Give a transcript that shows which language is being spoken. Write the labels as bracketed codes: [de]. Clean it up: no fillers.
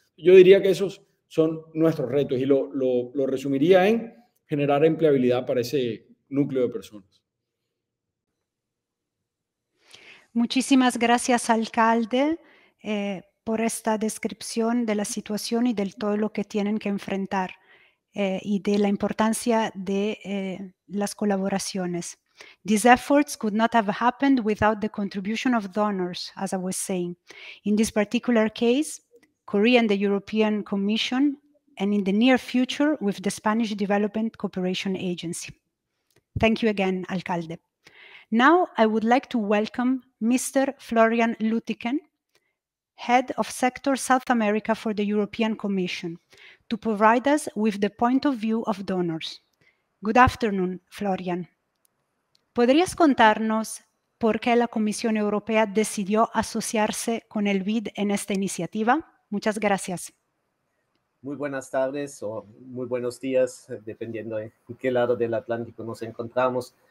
[es] Yo diría que esos son nuestros retos y lo resumiría en generar empleabilidad para ese núcleo de personas. Muchísimas gracias, alcalde, por esta descripción de la situación y de todo lo que tienen que enfrentar y de la importancia de las colaboraciones. [en] These efforts could not have happened without the contribution of donors, as I was saying. In this particular case, Korea and the European Commission, and in the near future with the Spanish Development Cooperation Agency. Thank you again, alcalde. Now I would like to welcome Mr. Florian Lütiken, Head of Sector South America for the European Commission, to provide us with the point of view of donors. Good afternoon, Florian. [es] ¿Podrías contarnos por qué la Comisión Europea decidió asociarse con el BID en esta iniciativa? Muchas gracias. Muy buenas tardes o muy buenos días, dependiendo de qué lado del Atlántico nos encontramos.